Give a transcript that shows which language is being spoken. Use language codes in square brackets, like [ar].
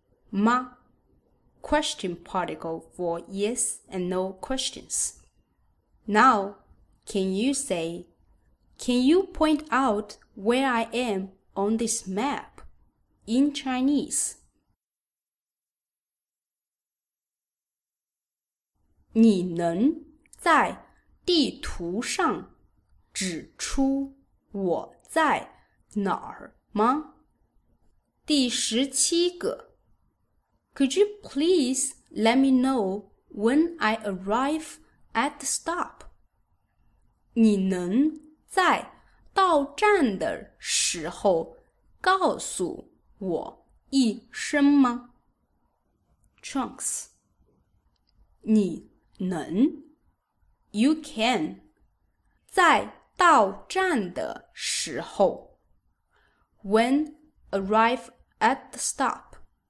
[zh] 吗？ [en] Question particle for yes and no questions. Now, can you say, can you point out where I am on this map in Chinese? [zh] 你能在地图上指出我在哪儿吗？第十七个。 [en] Could you please let me know when I arrive at the stop? [zh] 你能在到站的时候告诉我一声吗？ [en] Trunks， [zh] 你能， [en] You can， [zh] 在到站的时候， [en] When arrive at the stop。